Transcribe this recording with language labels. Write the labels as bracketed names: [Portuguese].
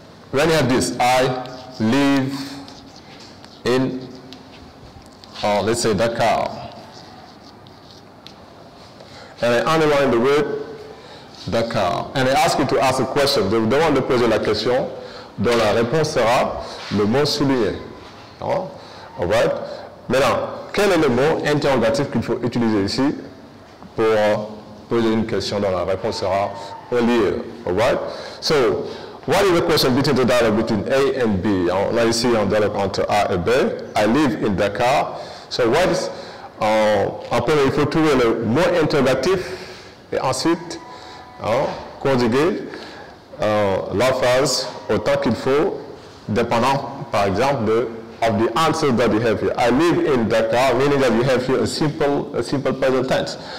[English] When you have this, I live in, let's say, Dakar. And I underline the word Dakar. And I ask you to ask a question. [French] Je vous demande de poser la question, dont la réponse sera le mot souligné. [English] All right? [French] Maintenant, quel est le mot interrogatif qu'il faut utiliser ici pour poser une question dont la réponse sera au lieu? [English] All right? So, what is the question between the dialogue between A and B? Now you see [French] on dialogue entre A et B. [English] I live in Dakar. So what is, [French] après il faut trouver le mot interrogatif et ensuite conjuguer la phrase autant qu'il faut, dépendant par exemple [English] of the answer that you have here. I live in Dakar, meaning that you have here a simple present tense.